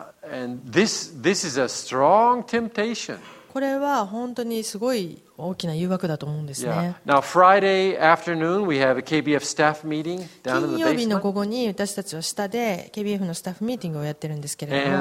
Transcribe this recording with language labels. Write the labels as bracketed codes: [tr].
[en] And this is a strong temptation. [ja] これは本当にすごい大きな誘惑だと思うんですね。 [en] Now Friday afternoon we have a KBF staff meeting down in the basement. [ja] 金曜日の午後に私たちは下で KBF のスタッフミーティングをやってるんですけれども。